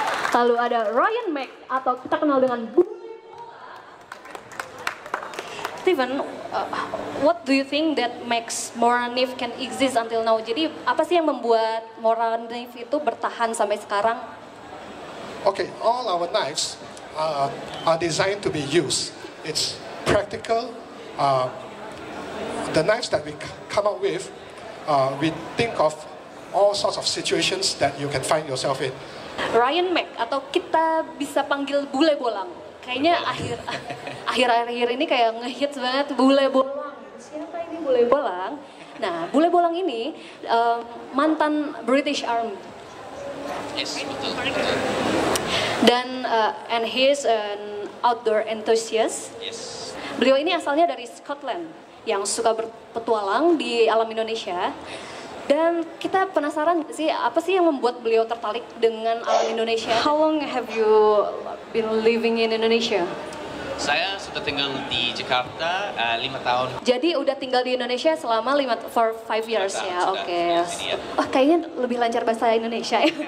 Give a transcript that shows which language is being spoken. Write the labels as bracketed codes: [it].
[id] Lalu ada Ryan Mack atau kita kenal dengan [en] Steven, what do you think that makes Moragniv can exist until now? [id] Jadi apa sih yang membuat Moragniv itu bertahan sampai sekarang? [en] Okay, all our knives are designed to be used. It's practical. The knives that we come up with, we think of all sorts of situations that you can find yourself in. [id] Ryan Mack, atau kita bisa panggil Bule Bolang. Kayaknya akhir-akhir ini kayak ngehit banget Bule Bolang. Siapa ini Bule Bolang? Nah, Bule Bolang ini mantan British Army. [en] Yes, [id] betul. [en] Dan and he's an outdoor enthusiast. Yes. [id] Beliau ini asalnya dari Scotland yang suka berpetualang di alam Indonesia. Dan kita penasaran sih apa sih yang membuat beliau tertarik dengan alam Indonesia? [en] How long have you been living in Indonesia? [id] Saya sudah tinggal di Jakarta 5 tahun. Jadi udah tinggal di Indonesia selama 5 years ya. Oke. Oh, kayaknya lebih lancar bahasa Indonesia ya.